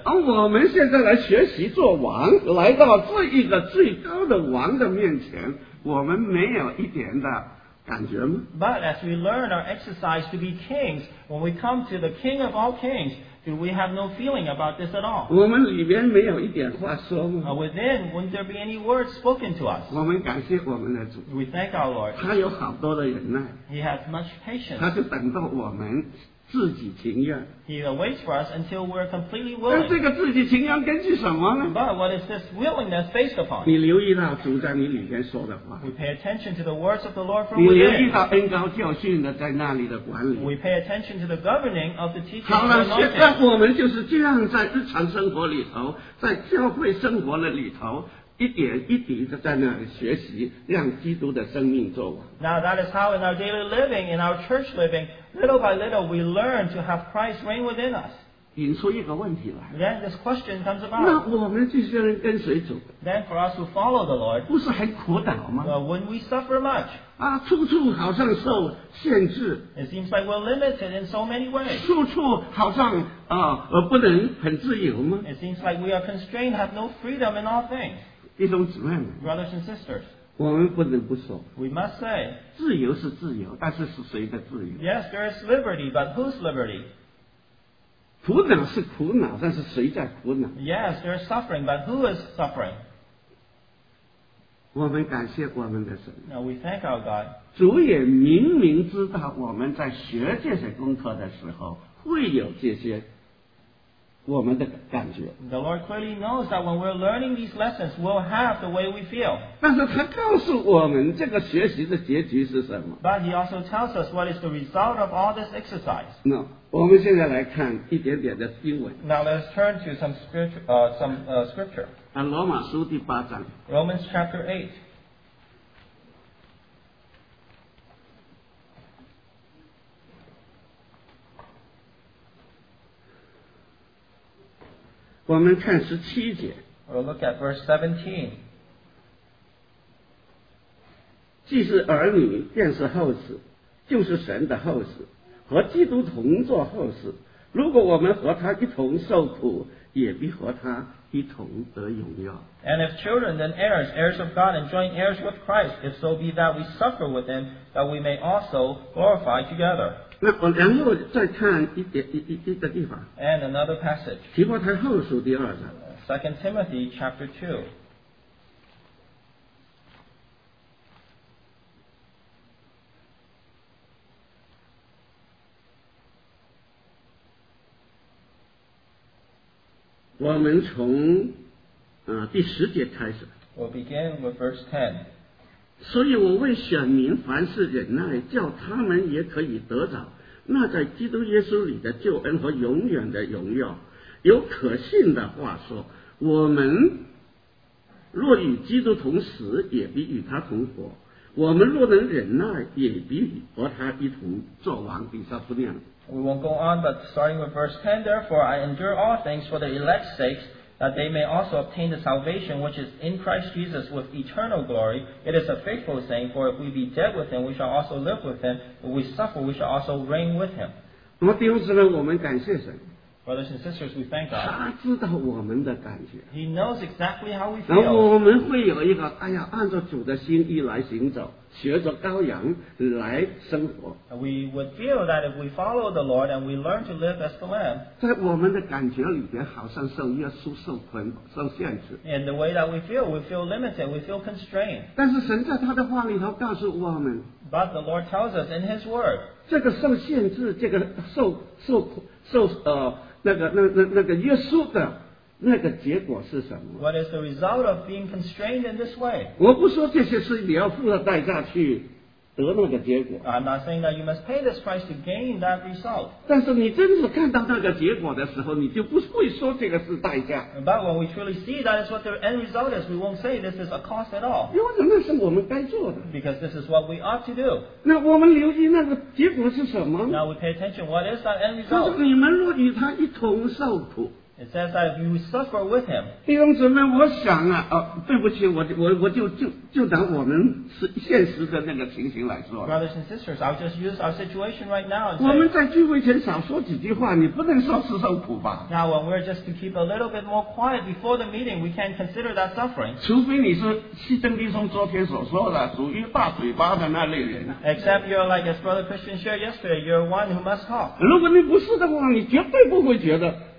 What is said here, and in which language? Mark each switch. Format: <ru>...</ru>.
<zh>我们现在来学习做王, 来到这一个最高的王的面前, 我们没有一点的。感觉吗?</zh> <en>But as we learn our exercise to be kings, when we come to the King of all kings, do we have no feeling about this at all?</en> <zh>我们里边没有一点话说吗?</zh> <en>Within, wouldn't there be any words spoken to us?</en> <zh>我们感谢我们的主,</zh> <en>we thank our Lord.</en> <zh>他有好多的忍耐,</zh> <en>he has much patience.</en> <zh>他就等到我们自己情愿。</zh> <en>He awaits for us until we're completely willing.</en> <zh>那这个自己情愿根据什么呢？</zh> <en>But what is this willingness based upon?</en> <zh>你留意到主在你里面说的话。</zh> <en>We pay attention to the words of the Lord from within.</en> <zh>你留意到恩膏教训的在那里的管理。</zh> <en>We pay attention to the governing of the teaching.</en> <zh>好了，现在我们就是这样在日常生活里头，在教会生活的里头。一点一滴的在那里学习，让基督的生命做完。</zh> <en>Now that is how in our daily living, in our church living, little by little we learn to have Christ reign within us.</en> <zh>引出一个问题来。</zh> <en>Then this question comes about.</en> <zh>那我们这些人跟随主。</zh> <en>Then for us who follow the Lord.</en> <zh>不是很苦恼吗？</zh> <en>Wouldn't we suffer much?</en> <zh>啊，处处好像受限制。</zh> <en>It seems like we're limited in so many ways.</en> <zh>处处好像啊，不能很自由吗？</zh> <en>It seems like we are constrained, have no freedom in all things.</en> <zh>弟兄姊妹们</zh> <en>Brothers and sisters,</en> <zh>我们不能不说</zh> <en>We must say,</en> <zh>自由是自由但是是谁的自由</zh> <en>Yes, there is liberty, but whose liberty?</en> <zh>苦恼是苦恼但是谁在苦恼</zh> <en>Yes, there is suffering, but who is suffering?</en> <zh>我们感谢我们的神</zh> <en>Now we thank our God</en> <zh>主也明明知道我们在学这些功课的时候会有这些我们的感觉</zh> <en>The Lord clearly knows that when we're learning these lessons, we'll have the way we feel.</en> <zh>但是他告诉我们这个学习的结局是什么</zh> <en>But he also tells us what is the result of all this exercise.</en> <zh>No, 我们现在来看一点点的经文</zh> <en>Now let's turn to some scripture. Scripture.</en> <zh>罗马书第八章</zh> <en>Romans chapter 8.</en> <zh>我们看十七节。</zh> <en>We'll look at verse 17.</en> <zh>既是儿女，便是后嗣，就是神的后嗣，和基督同作后嗣。如果我们和他一同受苦，也必和他一同得荣耀。</zh> <en>And if children, then heirs, heirs of God, and joint heirs with Christ, if so be that we suffer with him, that we may also glorify together.</en> <zh>那我然后再看一点一一一个地方。</zh> <en>And another passage.</en> <zh>提摩太后书第二章。</zh> <en>Second Timothy chapter 2.</en> <zh>我们从第十节开始。</zh> <en>We'll begin with verse 10.</en> <zh>所以我为选民凡事忍耐，叫他们也可以得着。那在基督耶稣里的救恩和永远的荣耀有可信的话说我们若与基督同死也必与他同活我们若能忍耐也必和他一同作王以上不念了</zh> <en>We won't go on but starting with verse 10 Therefore I endure all things for the elect's sakes that they may also obtain the salvation which is in Christ Jesus with eternal glory. It is a faithful saying, for if we be dead with him, we shall also live with him. If we suffer, we shall also reign with him.</en> <zh>那么弟兄姊妹，我们感谢神。</zh> <en>Brothers and sisters, we thank God.</en> <zh>他知道我们的感觉。</zh> <en>He knows exactly how we feel.</en> <zh>然后我们会有一个，哎呀，按照主的心意来行走，学着羔羊来生活。</zh> <en>We would feel that if we follow the Lord and we learn to live as the Lamb.</en> <zh>在我们的感觉里边，好像受约束、受捆、受限制。</zh> <en>In the way that we feel limited, we feel constrained.</en> <zh>但是神在他的话里头告诉我们。</zh> <en>But the Lord tells us in His Word.</en> <zh>这个受限制，这个受捆。那个约束的那个结果是什么</zh> <en>What is the result of being constrained in this way?</en> <zh>我不说这些事你要付了代价去得那个结果</zh> <en>I'm not saying that you must pay this price to gain that result</en> <zh>但是你真是看到那个结果的时候你就不会说这个是代价</zh> <en>But when we truly see that is what the end result is we won't say this is a cost at all</en> <zh>因为那是我们该做的</zh> <en>Because this is what we ought to do</en> <zh>那我们留意那个结果是什么</zh> <en>Now we pay attention what is that end result</en> <zh>就是你们若与他一同受苦</zh> <en>It says that if you suffer with him</en> <zh>弟兄姊妹我想啊、哦、对不起我就拿我们现实的那个情形来说</zh> <en>Brothers and sisters, I'll just use our situation right now and say,</en> <zh>我们在聚会前少说几句话你不能说是受苦吧</zh> <en>Now when we're just to keep a little bit more quiet before the meeting we can consider that suffering</en> <zh>除非你是西登弟兄昨天所说的属于大嘴巴的那类人</zh> <en>Except you're like as Brother Christian shared yesterday you're one who must talk</en> <zh>如果你不是的话你绝对不会觉得</zh>